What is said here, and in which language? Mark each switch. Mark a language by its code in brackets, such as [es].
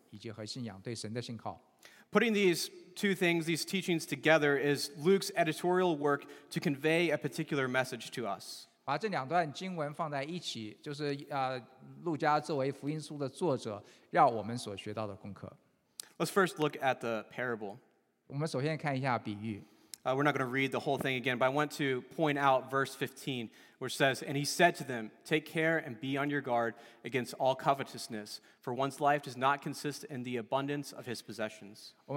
[zh] 然后我们看到这个比喻，下面的经文马上来的经文就是讲到财富，追求财富，以及和信仰，对神的信靠。 [en] Putting these two things, these teachings together, is Luke's editorial work to convey a particular message to us. [zh] 把这两段经文放在一起，就是路加作为福音书的作者，要我们所学到的功课。 [en] Let's first look at the parable. [zh] 我们首先看一下比喻。 [en] We're not going to read the whole thing again, but I want to point out verse 15, which says, And he said to them, Take care and be on your guard against all covetousness, for one's life does not consist in the abundance of his possessions.